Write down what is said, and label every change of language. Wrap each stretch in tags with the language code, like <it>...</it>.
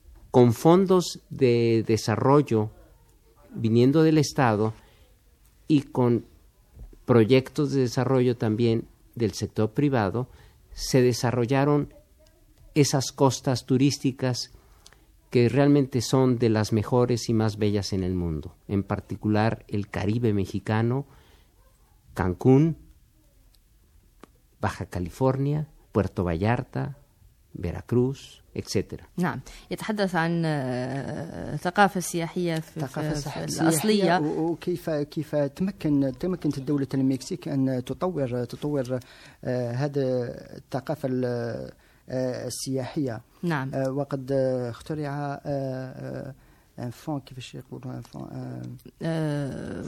<es>Con fondos de desarrollo viniendo del Estado y con proyectos de desarrollo también del sector privado, se desarrollaron esas costas turísticas que realmente son de las mejores y más bellas en el mundo, en particular el Caribe mexicano, Cancún, Baja California, Puerto Vallarta, Veracruz, etc.</es> <ar>نعم، يتحدث عن الثقافة السياحية في الأصلية. وكيف تمكنت دولة المكسيك أن تطور هذه الثقافة السياحية؟ نعم. وقد اخترع</ar> <fr>un fonds qui veut dire un</fr>